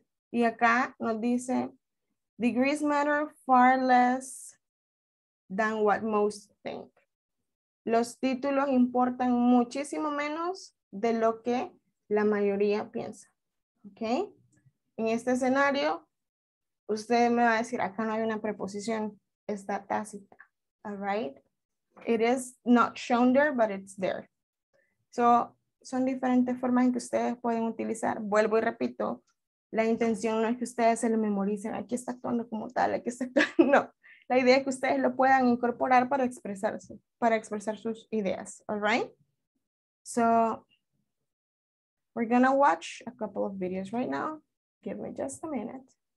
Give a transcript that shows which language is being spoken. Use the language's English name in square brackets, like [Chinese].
[Spanish] Y acá nos dice, [English] degrees matter far less than what most think. [Spanish] Los títulos importan muchísimo menos de lo que la mayoría piensa. ¿Ok? En este escenario, usted me va a decir, acá no hay una preposición, está tácita. [English] All right? It is not shown there, but it's there. [Spanish] So, son diferentes formas en que ustedes pueden utilizar. Vuelvo y repito, la intención no es que ustedes se lo memoricen, aquí está actuando como tal, aquí está actuando, no. La idea es que ustedes lo puedan incorporar para expresarse, para expresar sus ideas. [English] All right? So, we're gonna watch a couple of videos right now. Give me just a minute.